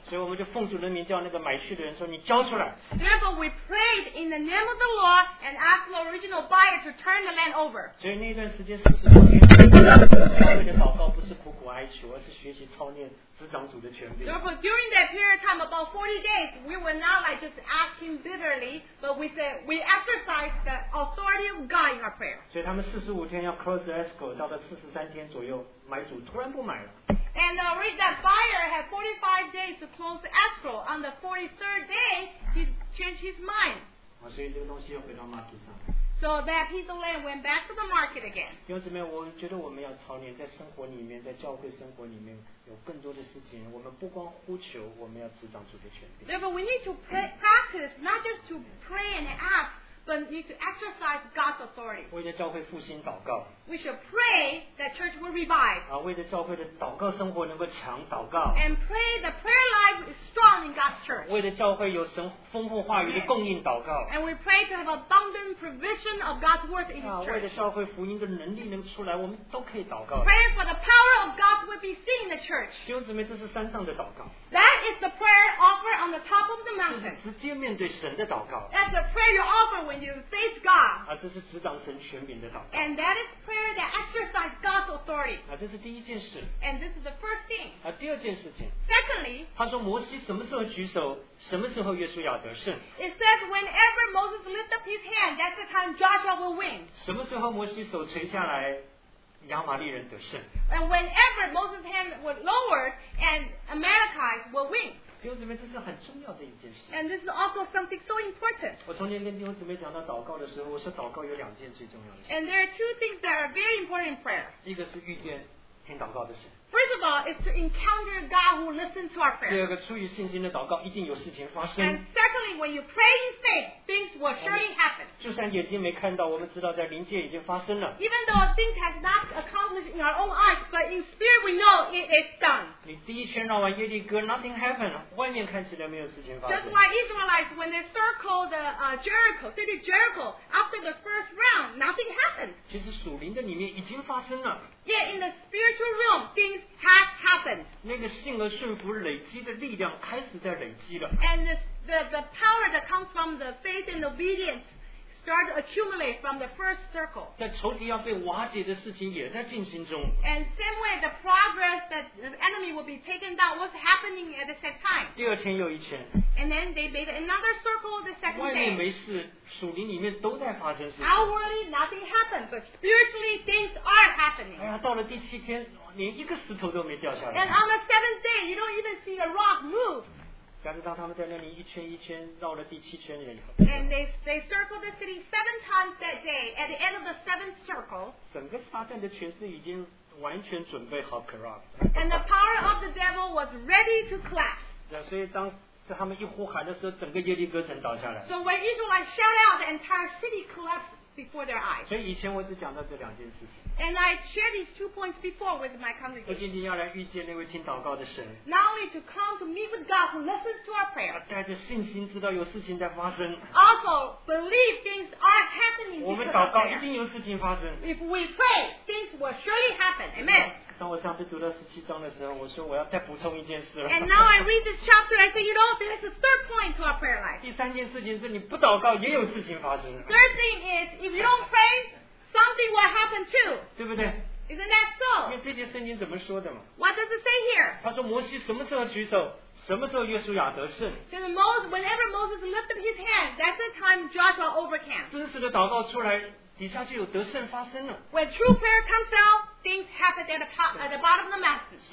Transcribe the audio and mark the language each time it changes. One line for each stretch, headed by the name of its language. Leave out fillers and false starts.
Chinese: 所以我们就奉主的名叫那个买去的人说，你交出来。
English: Therefore, we prayed in the name of the Lord and asked the original buyer to turn the land over.
Chinese: 所以那段时间40多天，我们的祷告不是苦苦哀求，而是学习操练执掌主的权柄。
English: Therefore, during that period of time, about 40 days, we were not like just asking bitterly, but we said we exercised the authority of God in our prayer.
Chinese: 所以他们45天要
English: close escrow，
Chinese: 到了43天左右。买主突然不买了。
English: And I read that buyer had 45 days to close the escrow. On the 43rd day, he changed his mind.
Chinese: 所以这个东西又回到 market 上。
English: So that piece of land went back to the market again.
Chinese: 弟兄姊妹，我觉得我们要操练，在生活里面，在教会生活里面，有更多的事情，我们不光呼求，我们要执掌主的权柄。
English: Therefore, we need to practice not just to pray and ask. But need to exercise God's authority.
Chinese: 为着教会复兴祷告。
English: We should pray that church will revive.
Chinese: 为着教会的祷告生活能够强祷告。
English: And pray the prayer life is strong in God's church.
Chinese: 为着教会有神丰富话语的供应祷告。
English: And we pray to have abundant provision of God's word in His church.
Chinese: 为着教会福音的能力能出来，我们都可以祷告。
English: Pray for the power of God will be seen in the church.
Chinese: 弟兄姊妹，这是山上的祷告。
English: That is the prayer offered on the top of the mountain.
Chinese: 直接面对神的祷告。
English: That's the prayer you offer when you face God.
Chinese: 这是执掌神权柄的祷告。
English: And that is prayer that exercises God's authority.
Chinese: 这是第一件事。
English: And this is the first thing.
Chinese: 第二件事情。
English: Secondly,
Chinese: 他说摩西什么时候举手，什么时候约书亚得胜。
English: It says whenever Moses lifts up his hand, that's the time Joshua will win.
Chinese: 什么时候摩西手垂下来，亚玛利人得胜。
English: And whenever Moses' hand was lowered, and Amalekites will win.
Chinese: 弟兄姊妹，这是很重要的一件事。
English: And this is also something so important.
Chinese: 我从前跟弟兄姊妹讲到祷告的时候，我说祷告有两件最重要的事。
English: And there are two things that are very important in prayer.
Chinese: 一个是遇见听祷告的神。
English: First of all, is to encounter God who listens to our prayer.
Chinese: 第二个，出于信心的祷告，一定有事情发生。
English: And secondly, when you pray in faith, things will surely happen.
Chinese: 就算眼睛没看到，我们知道在灵界已经发生了。
English: Even though things have not accomplished in our own eyes, but in spirit we know it is done.
Chinese: 你第一圈绕完耶利哥 ，
English: nothing happened.
Chinese: 外面看起来没有事情发生。
English: That's why Israelites, when they circle the city Jericho, after the first round, nothing happened.
Chinese: 其实属灵的里面已经发生了。
English: Yeah, in the spiritual realm, things have happened.
Chinese: 那个信而顺服累积的力量开始在累积了。
English: And the power that comes from the faith and obedience started to accumulate from the first circle.
Chinese: 在仇敌要被瓦解的事情也在进行中。
English: And same way, the progress that the enemy will be taken down was happening at the same time.
Chinese: 第二天又一圈。
English: And then they made another circle the second day.
Chinese: 外面没事，属灵里面都在发生事情。
English: Outwardly nothing happened, but spiritually things are happening.
Chinese: 哎呀，到了第七天，连一个石头都没掉下来。
English: And on the seventh day, you don't even see a rock move.
Chinese: 但是当他们在那里一圈一圈绕了第七圈以后。
English: And they circled the city seven times that day. At the end of the seventh circle,
Chinese: 整个撒旦的权势已经完全准备好 corrupt.
English: And the power of the devil was ready to collapse.
Chinese: 所以当他们一呼喊的时候，整个耶利哥城倒下来。
English: So when Israelites shout out, the entire city collapsed before their eyes.
Chinese: 所以以前我只讲到这两件事情。
English: And I shared these two points before with my congregation.
Chinese: 我今天要来遇见那位听祷告的神。
English: Not only to come to meet with God who listens to our prayer.
Chinese: 带着信心知道有事情在发生。
English: Also believe things are happening.
Chinese: 我们祷告一定有事情发生。
English: If we pray, things will surely happen. Amen.
Chinese: 当我上次读到十七章的时候，我说我要再补充一件事了。
English: And now I read this chapter, I say, you know, there is a third point to our prayer life.
Chinese: 第三件事情是你不祷告也有事情发生。
English: Third thing is, if you don't pray, something will happen too.
Chinese: 对不对？
English: Isn't that so?
Chinese: 因为这节圣经怎么说的嘛？
English: What does it say here?
Chinese: 他说摩西什么时候举手，什么时候约书亚得胜。
English: Because Moses, whenever Moses lifted his hand, that's the time Joshua overcame.
Chinese: 真实的祷告出来，底下就有得胜发生了。 When true prayer comes out, things happen at the bottom of the mountain.